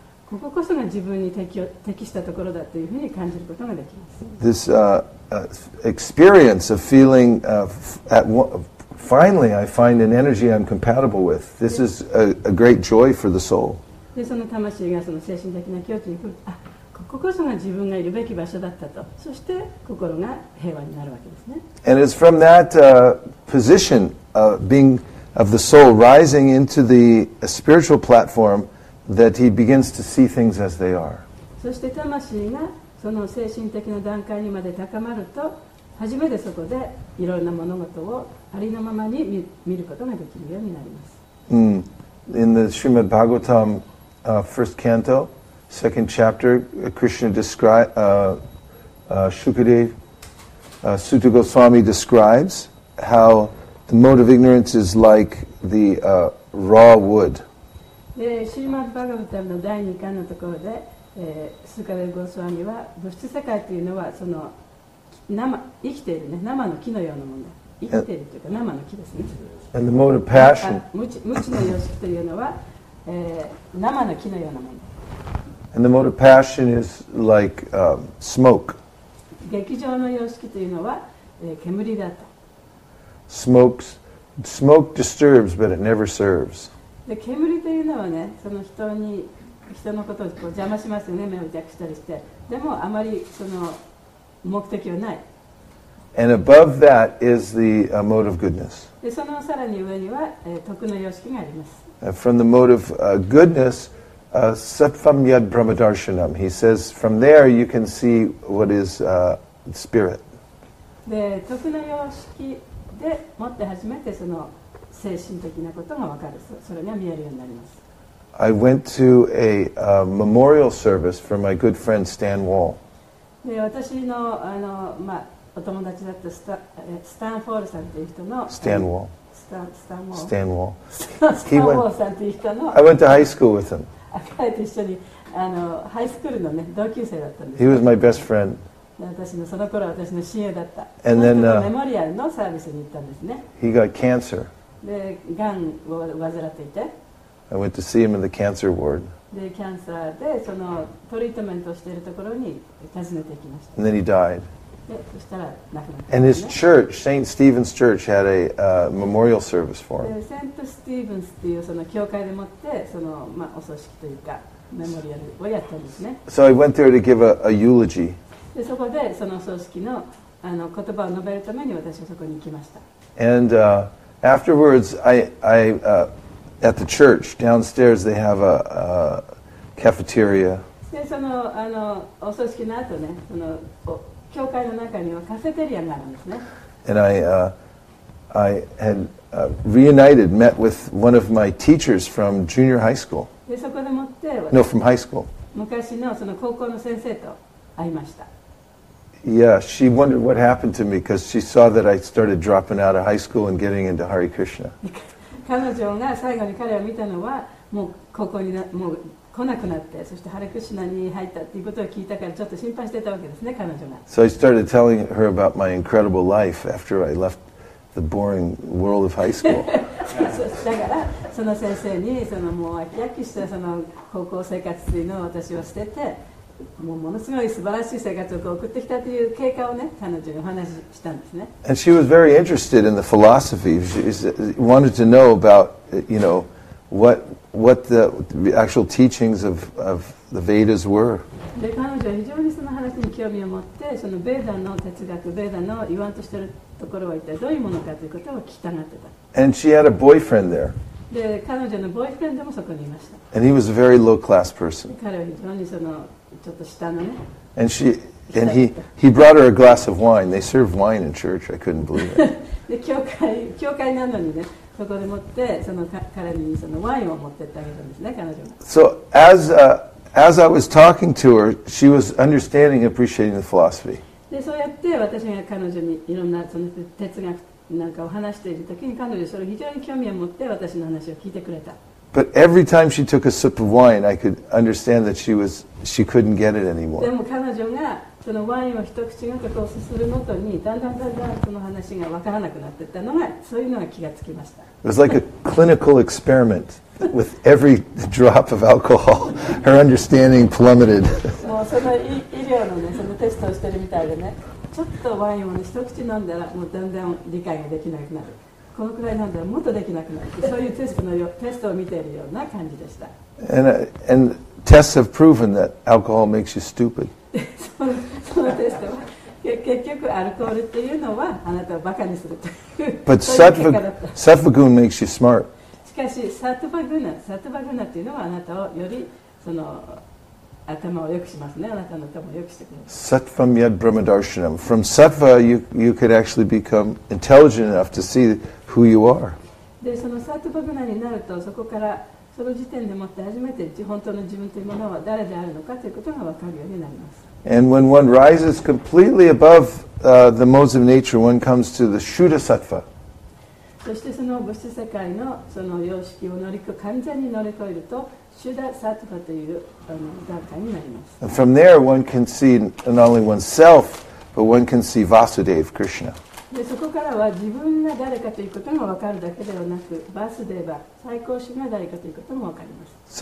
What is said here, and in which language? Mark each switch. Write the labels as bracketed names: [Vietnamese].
[Japanese] こここそが自分に適したところだというふうに感じることができます。 [English] This experience of feeling at finally I find an energy I'm compatible with. This is a great joy for the soul. [Japanese] で、その魂がその精神的な境地に来る。あ、こここそが自分がいるべき場所だったと。そして心が平和になるわけですね。 [English] And it's from that position of being of the soul rising into the spiritual platform. That he begins to see things as they are. [Japanese] そして魂がその精神的な段階にまで高まると、初めてそこでいろんな物事をありのままに見ることができるようになります。 [English] In the Srimad Bhagavatam, first canto, second chapter, Krishna describes, Shukadev, Suta Goswami describes how the mode of ignorance is like the raw wood. [Japanese] シリマッド・バガヴァッタムの第2巻のところで、スーカデル・ゴスワミは物質世界というのはその生きている、ね、生の木のようなもの生きているというか生の木ですね [English] And the mode of passion [Japanese] 無知の様式というのは、生の木のようなもの [English] And the mode of passion is like smoke [Japanese] 劇場の様式というのは、煙だと [English] Smoke disturbs but it never serves [Japanese] で煙というのはね、その人のことをこう邪魔しますよね、目を弱したりして。でもあまりその目的はない。 [English] And above that is the mode of goodness. [Japanese] でそのさらに上には、徳の様式があります。 [English] From the mode of goodness, [Sanskrit] sattvam yad brahmadarshanam. [English] He says, from there you can see what is spirit. [Japanese] で徳の様式で持って初めてその精神的なことが分かる。それが見えるようになります。 [English] I went to a memorial service for my good friend Stan Wall. [Japanese] で私の、まあ、お友達だったスタンフォールさんという人の [English] Stan Wall. Stan Wall. Stan Wall. [Japanese] Stan Wall さんという人の [English] I went to high school with him. [Japanese] 彼と一緒にハイスクールの、ね、同級生だったんです。 [English] He was my best friend. [Japanese] 私のその頃は私の親友だった。 [English] And then, [Japanese] メモリアルのサービスに行ったんですね。 [English] He got cancer. [Japanese] で、がんを患っていて。 [English] I went to see him in the cancer ward. [Japanese] で、キャンサーで、そのトリートメントをしているところに訪ねていきました。 [English] And then he died. [Japanese] で、そしたら亡くなったんです [English] ね。And his church, St. Stephen's Church, had a memorial service for him. [Japanese] で、セント・スティーブンスっていうその教会でもって、その、まあ、お葬式というか、メモリアルをやったんですね。 [English] So I went there to give a eulogy. [Japanese] で、そこでそのお葬式の、言葉を述べるために私はそこに行きました。 [English] And, Afterwards, I at the church downstairs they have a cafeteria. [Japanese] でそのお葬式の後ね、その教会の中にはカフェテリアがあるんですね。 [English] And I had reunited, met with one of my teachers from junior high school. [Japanese] でそこでもって、 [English] no, from high school. [Japanese] 昔のその高校の先生と会いました。 [English] Yeah, she wondered what happened to me because she saw that I started dropping out of high school and getting into Hare Krishna. [Japanese] 彼女が最後に彼を見たのはもう高校にもう来なくなってそしてハレクシナに入ったっていうことを聞いたからちょっと心配してたわけですね彼女が。 [English] So I started telling her about my incredible life after I left the boring world of high school. [Japanese] だからその先生にそのもう飽き飽きしたその高校生活というのを私は捨てて。もうものすごい素晴らしい生活を送ってきたという経過をね彼女にお話ししたんですね。 [English] And she was very interested in the philosophy. She wanted to know about, you know, what the actual teachings of the Vedas were. [Japanese] で彼女は非常にその話に興味を持って、そのベーダの哲学、ベーダの言わんとしているところは一体どういうものかということを聞きたがってた。 [English] And she had a boyfriend there. [Japanese] で彼女のボーイフレンドもそこにいました。 [English] And he was a very low class person. [Japanese] 彼は非常にそのちょっと下のね。 [English] And she and he brought her a glass of wine. They served wine in church. I couldn't believe it. [Japanese] で教会なのにね、そこで持ってその彼にそのワインを持ってってあげたんですね彼女は。 [English] So as I was talking to her, she was understanding, appreciating the philosophy. [Japanese] でそうやって私が彼女にいろんなその哲学なんかを話しているときに彼女はそれを非常に興味を持って私の話を聞いてくれた。 [English] But every time she took a sip of wine, I could understand that she couldn't get it anymore. [Japanese] でも彼女がそのワインを一口ごとこうすするごとにだんだんだんだんその話がわからなくなっていったのがそういうのが気がつきました。 [English] It was like a clinical experiment. With every drop of alcohol, her understanding plummeted. [Japanese] もうその医療のね、そのテストをしてるみたいでね、ちょっとワインを、ね、一口飲んだらもうだんだん理解ができなくなる、このくらい飲んだらもっとできなくなる、そういうテストを見ているような感じでした。 [English] And tests have proven that alcohol makes you stupid. [Japanese] そのテストは結局アルコールっていうのはあなたをバカにするという [English] But sattva-guna makes you smart. [Japanese] しかしサトバグナっていうのはあなたをよりその頭を良くしますね。あなたの頭を良くしてくれます [Sanskrit] 。 Sattvam yad brahmadarshanam. [English] From sattva you could actually become intelligent enough to see who you are. [Japanese] でそのサトバグナになると、そこからその時点でもって初めて本当の自分というものは誰であるのかということが分かるようになります。 [English] And when one rises completely above the modes of nature, one comes to the Shuddha Sattva. [Japanese] そしてその物質世界のその様式を完全に乗り越えると、Shuddha Sattva という段階になります。 [English] And from there, one can see not only oneself, but one can see Vasudeva Krishna. [Japanese] で、そこからは自分が誰かということも分かるだけではなく、Vasudeva、最高神が誰かということも分かります。